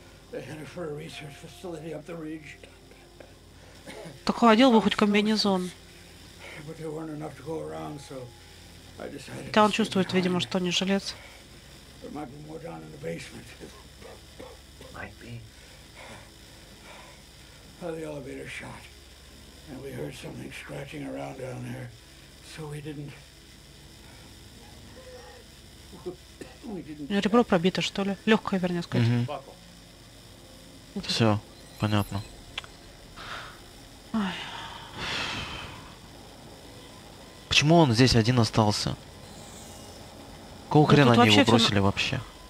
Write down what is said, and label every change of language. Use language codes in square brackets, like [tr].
[en] They're headed for a research facility up the ridge. [ru] Так ходил бы хоть комбинезон. [en] But there weren't enough to go around, so I decided. [ru] Да он чувствует, видимо, что не жилец. [en] There might be more down in the basement. Might be. Well, the elevator shot. And we heard something scratching around down there. So we didn't. [ru] У него ребро пробито, что ли? Легкое, вернее сказать. Mm-hmm. Все, понятно. Ой. Почему он здесь один остался? Какого хрена они его бросили вообще?